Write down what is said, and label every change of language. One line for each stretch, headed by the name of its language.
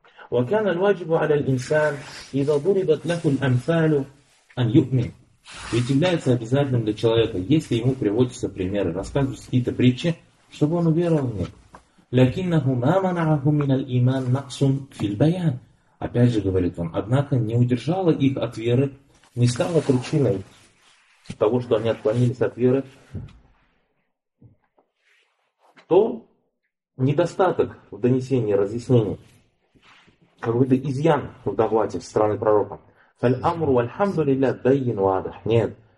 Arabic: وكان الواجب على الإنسان إذا ضربت له الأمثال أن يؤمن.
Russian: Ведь является обязательным для человека, если ему приводятся примеры, рассказывают какие-то притчи, чтобы он уверовал в них.
Arabic: لكنه ما منعه من الإيمان نقص في البيان.
Russian: Опять же говорит он, однако не удержало их от веры, не стало причиной того, что они отклонились от веры, то недостаток в донесении, разъяснении. Какой-то изъян в докладе со стороны пророка.
Arabic: Фаль-амру вальхамду лилля байин вадах.
Russian: Нет.